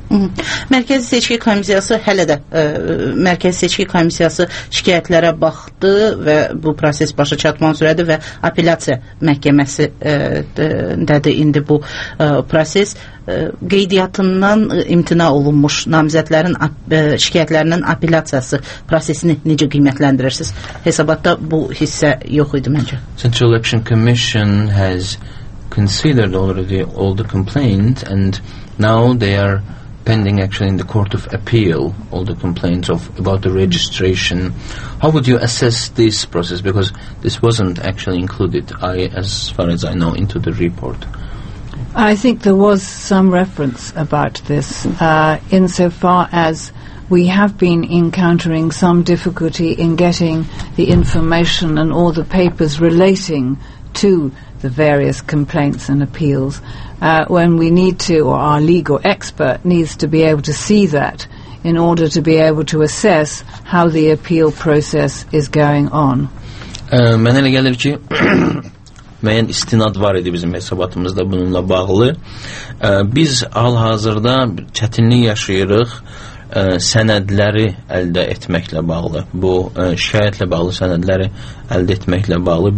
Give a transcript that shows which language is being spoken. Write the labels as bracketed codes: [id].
[az] Mərkəzi Seçki Komissiyası hələ də Mərkəzi Seçki Komissiyası şikayətlərə baxdı və bu proses başa çatmaq üzrədir və apellyasiya məhkəməsi dədir indi bu proses. Qeydiyyatından imtina olunmuş namizədlərin şikayətlərinin apellyasiyası prosesini necə qiymətləndirirsiniz? Hesabatda bu hissə yox idi məncə. [en] Central Election Commission has considered already all the complaints and now they are pending actually in the Court of Appeal all the complaints of about the registration. How would you assess this process? Because this wasn't actually included, as far as I know, into the report. I think there was some reference about this insofar as we have been encountering some difficulty in getting the information and all the papers relating to the various complaints and appeals when we need to, or our legal expert needs to be able to see that in order to be able to assess how the appeal process is going on. [az] Mənə elə gəlir ki, müəyyən istinad var idi bizim hesabatımızda bununla bağlı. Biz hal-hazırda çətinlik yaşayırıq sənədləri əldə etməklə bağlı, bu şikayətlə bağlı sənədləri əldə etməklə bağlı.